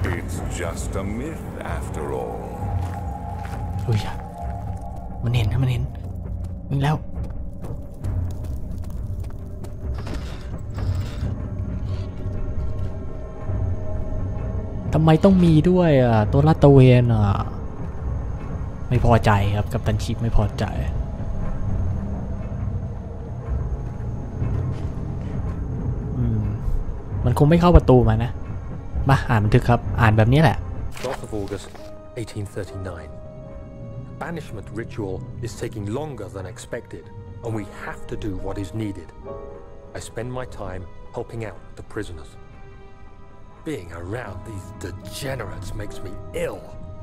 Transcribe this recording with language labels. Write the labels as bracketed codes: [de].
[en] it's just a myth after all. [th] โอ้ยมันเห็นนะมันเห็นวิ่งแล้วทำไมต้องมีด้วยอ่ะตัวลาตะเวนอ่ะไม่พอใจครับกัปตันชีพไม่พอใจมันคงไม่เข้าประตูมานะมาอ่านบันทึกครับอ่านแบบนี้แหละ [en] 12 August 1839 Banishment ritual is taking longer than expected and we have to do what is needed I spend my time helping out the prisonersBeing around these degenerates makes me ill.